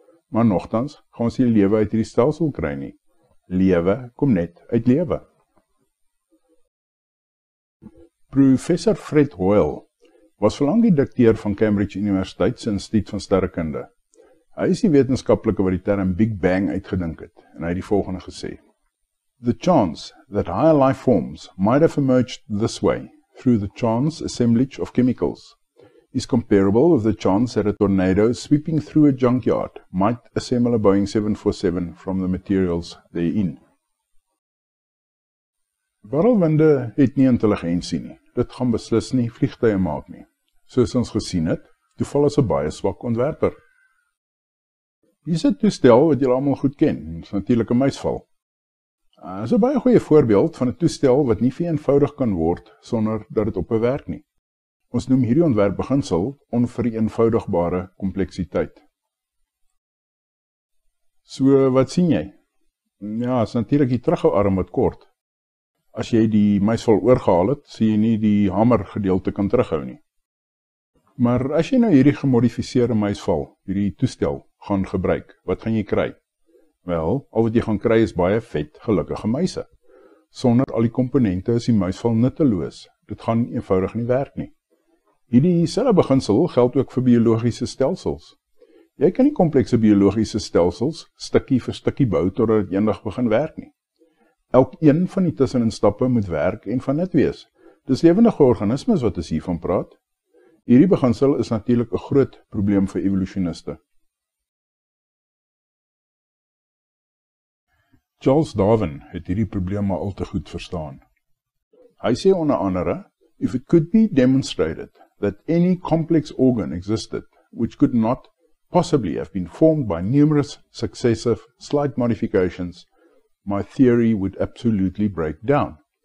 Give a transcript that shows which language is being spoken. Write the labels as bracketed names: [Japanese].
[Afrikaans] Maar nogtans gaan ons die lewe uit die stelsel kry nie. Lewe kom net uit lewe. Professor Fred Hoyle was verlang die dikteur van Cambridge Universiteit se Instituut van Sterrekunde. Hy is die wetenskaplike wat die term Big Bang uitgedink het en hy het die volgende gesê. [English] The chance that higher life forms might have emerged this way through the chance assemblage of chemicals is comparable with the chance that a tornado sweeping through a junkyard might assemble a Boeing 747 from the materials therein. [Afrikaans] Barrelwinde het nie intelligentie nie, dit gaan beslis nie vliegtuie maak nie. Soos ons gesien het, toeval is 'n baie swak ontwerper. Hier is 'n toestel wat julle allemaal goed ken, is natuurlijk 'n muisval. Dit is 'n baie goeie voorbeeld van 'n toestel wat nie vereenvoudig kan word sonder dat dit ophou werk nie. Ons noem hierdie ontwerpbeginsel onvereenvoudigbare kompleksiteit. So, wat sien jy? Ja, is natuurlijk die terughouarm wat kort. As jy die muisval oorgehaal het, sien jy nie die hamer gedeelte kan terughou nie. Maar as jy nou hierdie gemodificeerde muisval, hierdie toestel, gaan gebruik, wat gaan jy kry? Wel, al wat jy gaan kry is baie vet, gelukkige muise. Sonder al die komponente is die muisval nutteloos. Dit gaan eenvoudig nie werk nie. Hierdie selfde beginsel geld ook vir biologiese stelsels. Jy kan nie komplekse biologiese stelsels stukkie vir stukkie bou totdat dit eendag begin werk nie. Elk een van die tussenin stappe moet werk en van nut wees. Dis lewende organismes wat ons hiervan praat. Hierdie beginsel is natuurlik 'n groot probleem vir evolusioniste. Charles Darwin het hierdie probleem maar al te goed verstaan. Hy sê onder andere, [English] if it could be demonstrated that any complex organ existed which could not possibly have been formed by numerous successive slight modifications, my theory would absolutely break down.